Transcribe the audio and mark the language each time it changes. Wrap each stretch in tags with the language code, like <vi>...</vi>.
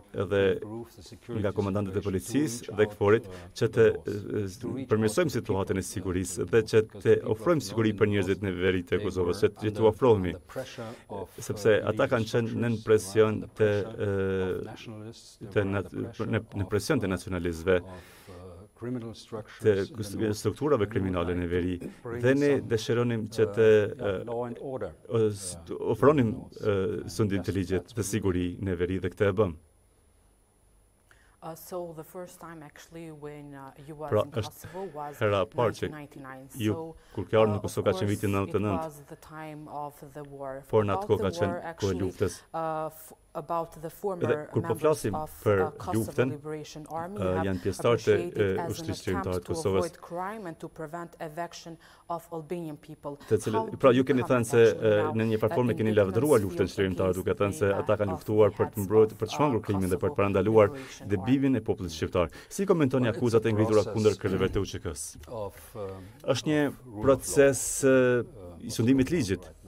<sq>dhe nga komandantët e policisë dhe Kforit, që të përmirësojmë situatën e sigurisë dhe që të ofrojmë siguri për njerëzit në veri të Kosovës, që të ofrojmë, sepse ata kanë qenë në presion të nacionalistëve, të strukturave kriminale në veri dhe ne dëshironim që të ofronim sundin të ligjet dhe siguri në veri dhe këtë e bëm.</sq> <en>So the first time actually when you were in Kosovo was in 1999. So of course it was the time of the war. For about the war actually, about the former members of Kosovo Liberation Army have appreciated as an attempt to avoid crime and to prevent eviction of Albanian people.</en> <sq>Pra, ju keni thënë se në një platformë keni lavdëruar luftën shqiptare, duke thënë se ata kanë luftuar për të mbrojtur, për të shmangur krimin dhe për të parandaluar dëbimin e popullit shqiptar. Si komentoni akuzat e ngritura kundër kryeve të UÇK-s? Është një proces i sundimit ligjit.</sq>